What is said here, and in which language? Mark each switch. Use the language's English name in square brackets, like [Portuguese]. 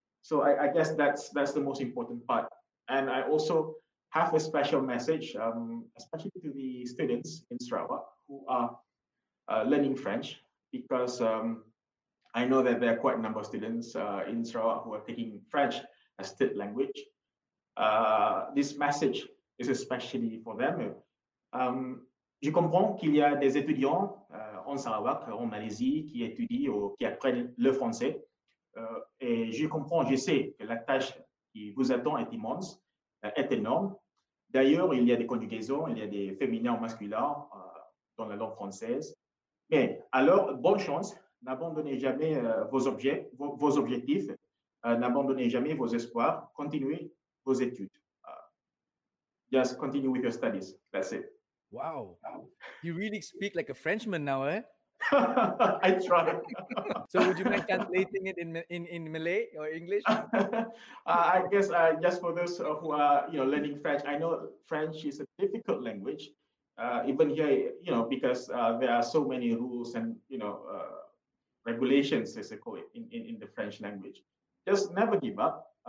[English] So I guess that's the most important part. And I also have a special message, especially to the students in Sarawak who are learning French, because I know that there are quite a number of students in Sarawak who are taking French as third language. This message is especially for them. [French] Je comprends qu'il y a des étudiants en Sarawak, en Malaisie, qui étudient ou qui apprennent le français. Et je comprends, je sais que la tâche qui vous attend est immense, est énorme. D'ailleurs, il y a des conjugaisons, il y a des féminins ou masculins dans la langue française. Mais alors, bonne chance, n'abandonnez jamais vos objectifs, n'abandonnez jamais vos espoirs, continuez vos études. [English] Just continue with your studies, that's it. Wow, you really speak like a Frenchman now, eh? I try. So would you mind translating it in Malay or English? I guess just for those who are learning French, I know French is a difficult language, even here, because there are so many rules and regulations, as they call it in the French language. Just never give up.